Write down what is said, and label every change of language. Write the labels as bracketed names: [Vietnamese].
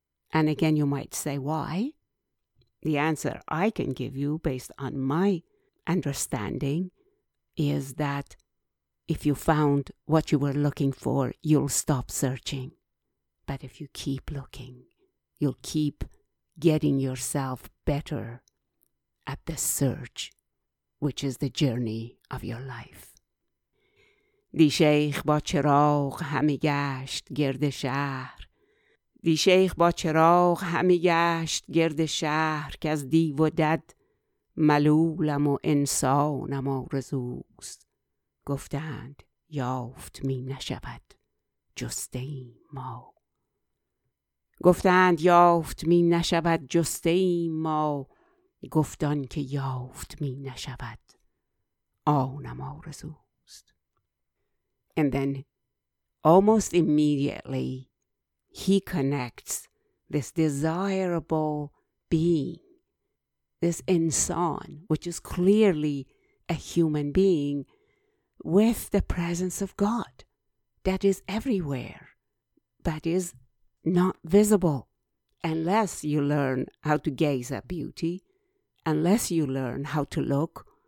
[English] And again, you might say, why? The answer I can give you based on my understanding is that if you found what you were looking for, you'll stop searching. But if you keep looking, you'll keep getting yourself better at the search, which is the journey of your life. [Persian] دی شیخ با چراغ همی گشت گرد شهر دی شیخ با چراغ همی گشت گرد شهر که از دیو و دد ملولم و انسانم آرزوست گفتند یافت می نشود جسته ایم ما گفتند یافت می نشود جسته ایم ما گفتان که یافت می نشود آنم آرزوست. [English] And then almost immediately he connects this desirable being, this insan, which is clearly a human being, with the presence of God that is everywhere but is not visible, unless you learn how to gaze at beauty, unless you learn how to look.